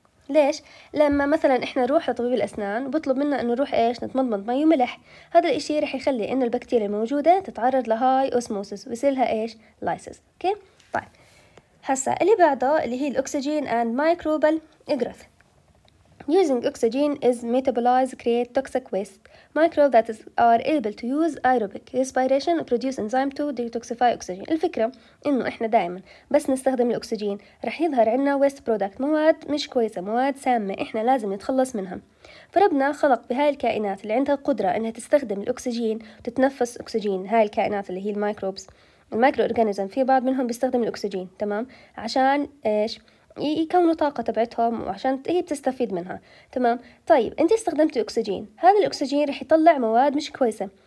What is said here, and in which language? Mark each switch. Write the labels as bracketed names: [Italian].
[Arabic] ليش؟ لما مثلا احنا نروح لطبيب الاسنان وبطلب منا انه نروح ايش نتمضمض مي وملح، هذا الاشي رح يخلي انه البكتيريا الموجوده تتعرض لهاي اوسموسس ويصير لها ايش لايسس. اوكي طيب هسا اللي بعده اللي هي الاكسجين اند مايكروبال جروث. [English] using oxygen is metabolized create toxic waste microbes that is, are able to use aerobic respiration produce enzyme to detoxify oxygen. [Arabic] الفكرة انه احنا دائما بس نستخدم الاكسجين رح يظهر عنا waste product مواد مش كويسة مواد سامة احنا لازم نتخلص منها، فربنا خلق بهاي الكائنات اللي عندها قدرة انها تستخدم الاكسجين وتتنفس اكسجين. هاي الكائنات اللي هي الميكروبس الميكرو اورجانيزم في بعض منهم بيستخدم الاكسجين تمام عشان ايش يكونوا طاقة تبعتهم وعشان هي بتستفيد منها. تمام طيب انت استخدمت اكسجين، هذا الاكسجين رح يطلع مواد مش كويسة